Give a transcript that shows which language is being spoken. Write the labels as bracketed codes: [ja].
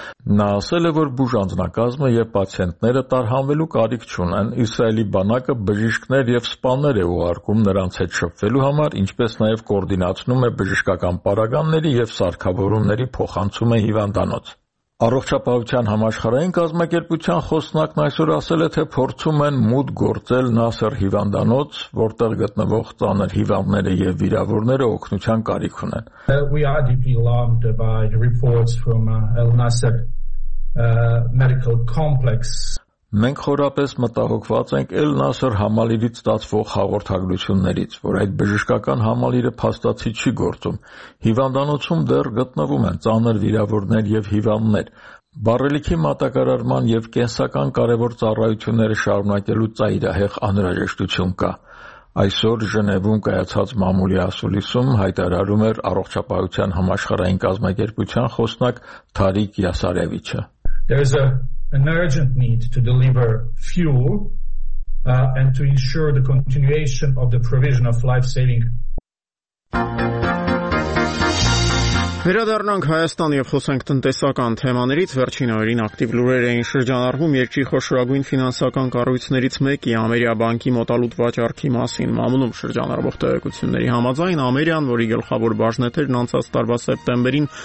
[hy] Նա ասել է, որ բուժանձնակազմը և պացիենտները տարհանվելու կարիք չունեն, իսրայելի բանակը բժիշկներ և սպաներ է ուղարկում նրանց հետ շփվելու համար, ինչպես նաև կոորդինացնում է բժշկական պարագաների և սարքավորումների փոխանցումը հիվանդանոց։ Առողջապահության համաշխարհային կազմակերպության խոսնակն այսօր ասել է, թե փորձում են մուտ գործել Նասեր հիվանդանոց, որտեղ գտնվող ծանր հիվանդները եւ վիրավորները օգնության կարիք ունեն։ [en] We are deeply alarmed by reports from Al Nasser medical complex. [hy] Մենք խորապես մտահոգված ենք Al Nasser համալիրից ստացվող հաղորդագրություններից, որ այդ բժշկական համալիրը փաստացի չի գործում։ Հիվանդանոցում դեռ գտնվում են ծանր վիրավորներ եւ հիվանդներ։ Բարելիքի մատակարարման եւ կենսական կարեւոր ծառայությունները շարունակելու ծայրահեղ անհրաժեշտություն կա։ Այսօր Ժնևում կայացած մամուլի ասուլիսում հայտարարում էր առողջապահության համաշխարհային կազմակերպության խոսնակ Թարիկ Յասարևիչը։ [en] An urgent need to deliver fuel and to ensure the continuation of the provision of life-saving. [hy] Վերադառնանք Հայաստան եւ խոսենք տնտեսական թեմաներից։ Վերջին օրերին ակտիվ լուրեր էին շրջանառվում երկրի խոշորագույն ֆինանսական կառույցներից մեկի Ամերիա բանկի մոտալուտ վաճառքի մասին։ Մամուլում շրջանառվող տեղեկությունների համաձայն Ամերիան, որի գլխավոր բաժնետերն անցած տարվա սեպտեմբերին